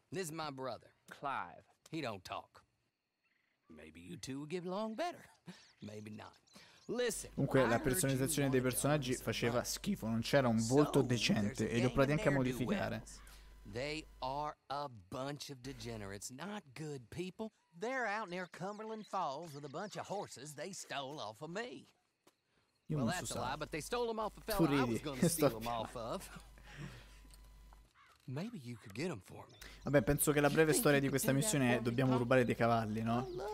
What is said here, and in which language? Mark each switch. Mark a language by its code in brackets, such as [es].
[en] This is my brother, Clive. He don't talk. Maybe you two will get along better. Maybe not. [it] Comunque la personalizzazione dei personaggi faceva schifo. Non c'era un volto decente e li ho provati anche a modificare. [en] They are a bunch of degenerates, not good people. They're out near Cumberland Falls with a bunch of horses they stole off of me. Io well, that's a lie, but they stole them off a fella I was going to steal them off of. Maybe you could get them for me. [it] Vabbè, penso che la breve storia di questa missione è dobbiamo rubare dei cavalli, no?